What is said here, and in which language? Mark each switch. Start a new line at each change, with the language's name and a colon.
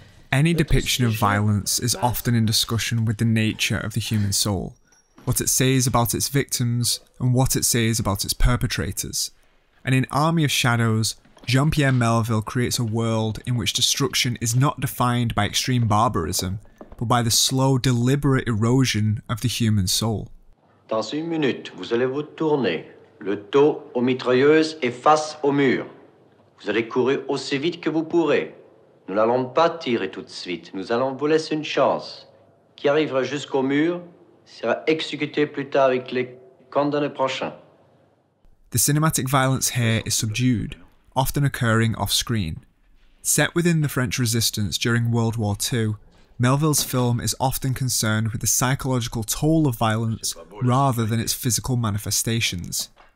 English: Any depiction of violence is often in discussion with the nature of the human soul, what it says about its victims and what it says about its perpetrators. And in Army of Shadows, Jean-Pierre Melville creates a world in which destruction is not defined by extreme barbarism, but by the slow, deliberate erosion of the human soul.
French: Dans une minute, vous allez vous tourner, le dos aux mitrailleuses et face au mur. Vous allez courir aussi vite que vous pourrez. Nous n'allons pas tirer tout de suite. Nous allons vous laisser une chance. Qui arrivera jusqu'au mur sera exécuté plus tard avec les condamnés prochains.
English: The cinematic violence here is subdued, often occurring off-screen. Set within the French Resistance during World War II, Melville's film is often concerned with the psychological toll of violence rather than its physical manifestations.